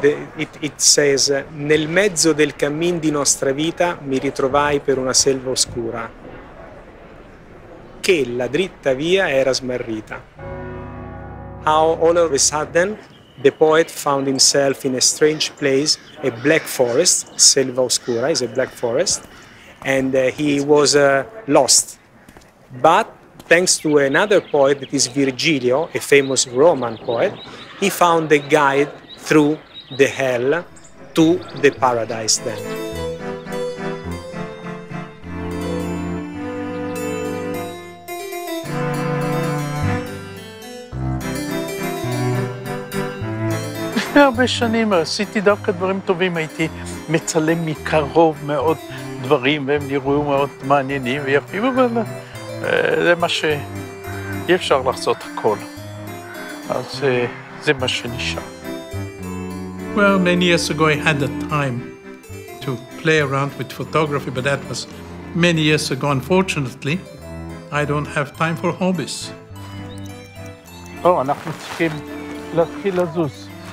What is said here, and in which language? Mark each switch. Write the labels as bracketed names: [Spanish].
[English] It says, [Italian] nel mezzo del cammin di nostra vita mi ritrovai per una selva oscura, che la dritta via era smarrita. [English] How all of a sudden the poet found himself in a strange place, a black forest, [Italian] selva oscura [English] is a black forest, and he was lost. But thanks to another poet, that is Virgilio, a famous Roman poet, he found a guide through the hell to the paradise then. [Hebrew] לפני הרבה שנים עשיתי דווקא דברים טובים, הייתי מצלם מקרוב מאוד דברים והם נראו מאוד מעניינים ויפים, אבל זה מה ש... אי אפשר לחזות הכל. אז זה מה שנשאר. [English] Well, many years ago I had the time to play around with photography, but that was many years ago. Unfortunately, I don't have time for hobbies. [Hebrew] אנחנו צריכים להתחיל לזוז.